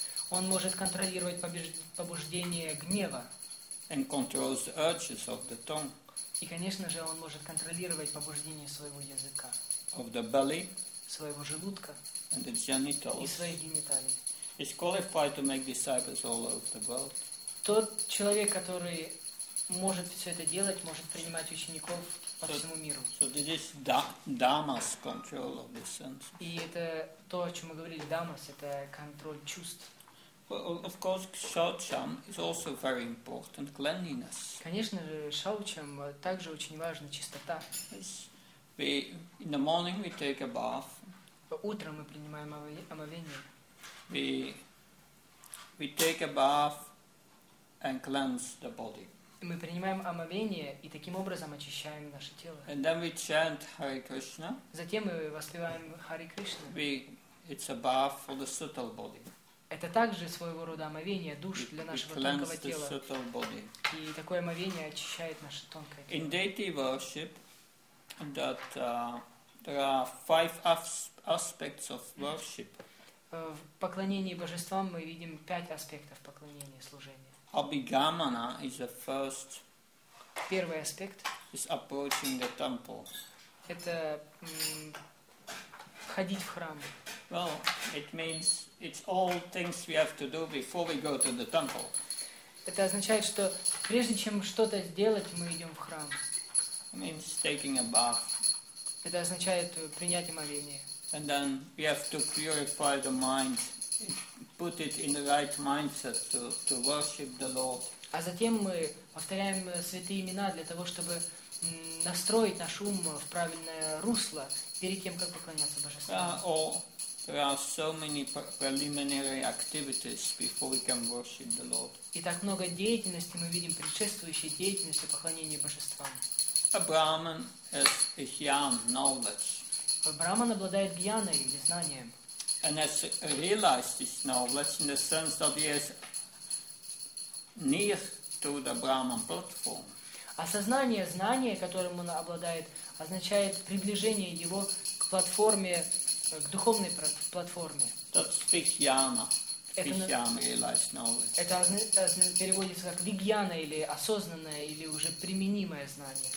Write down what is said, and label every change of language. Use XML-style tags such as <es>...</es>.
<ru>Он может контролировать побуждение гнева.</ru> <en>And controls the urges of the tongue.</en> <ru>И, конечно же, он может контролировать побуждение своего языка.</ru> <en>Of the belly.</en> <ru>Своего желудка.</ru> <en>And the genitals.</en> <ru>И своих гениталий.</ru> <en>Is qualified to make disciples all over the world.</en> <ru>Тот человек, который может все это делать, может принимать учеников по всему миру.</ru> <en>So this is Dhamma's control of the senses.</en> <ru>И это то, о чем мы говорили, Dhamma's, это контроль чувств.</ru> <en>Well, of course, kshaucham is also very important, cleanliness.</en> <ru>Конечно же, kshaucham также очень важна, чистота.</ru> <en>We, in the morning we take a bath.</en> <ru>Утром мы принимаем омовение.</ru> <en>We take a bath and cleanse the body.</en> <ru>Мы принимаем омовение и таким образом очищаем наше тело.</ru> <en>And then we chant Hare Krishna.</en> <ru>Затем мы воспеваем Hare Krishna.</ru> <en>It's a bath for the subtle body.</en> <ru>Это также своего рода омовение душ для нашего тонкого тела. И такое омовение очищает наше тонкое тело.</ru> <en>In deity worship, that there are five aspects of worship.</en> <ru>В поклонении божествам мы видим пять аспектов поклонения служения.</ru> <en>Abhigamana is the first.</en> <ru>Первый аспект.</ru> <en>Is approaching the temple.</en> <ru>Это ходить в храм.</ru> <en>Well, it means it's all things we have to do before we go to the temple.</en> <ru>Это означает, что прежде чем что-то сделать, мы идем в храм.</ru> <en>It means taking a bath.</en> <ru>Это означает принять омовение.</ru> <en>And then we have to purify the mind, put it in the right mindset to worship the Lord.</en> <ru>А затем мы повторяем святые имена для того, чтобы настроить наш ум в правильное русло перед тем, как поклоняться Божеству.</ru> <en>There are so many preliminary activities before we can worship the Lord.</en> <ru>И так много деятельности мы видим предшествующей деятельности поклонения Божествам.</ru> <en>A Brahman has a jnana, knowledge.</en> <ru>Брахман обладает гьяной или знанием.</ru> <en>And has realized this knowledge in the sense that he is near to the Brahman platform.</en> <ru>Осознание знания, которым он обладает, означает приближение его к платформе, к духовной платформе.</ru> <en>That's vijnana. Vijnana, realized knowledge.</en> <ru>Это переводится как вигьяна или осознанное или уже применимое знание.</ru>